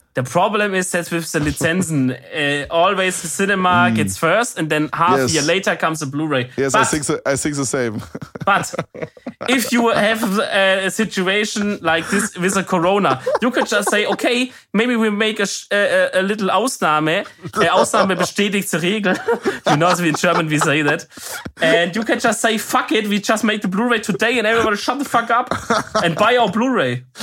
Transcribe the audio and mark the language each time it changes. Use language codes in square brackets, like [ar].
[en] The problem is that with the Lizenzen, always the cinema gets first and then half a year later comes the Blu-ray. Yes, but, I think the same. But if you have a situation like this with a corona, you could just say, okay, maybe we make a little Ausnahme. [de] Ausnahme bestätigt die Regel. [en] You know, in German we say that. And you can just say, fuck it, we just make the Blu-ray today and everybody shut the fuck up and buy our Blu-ray.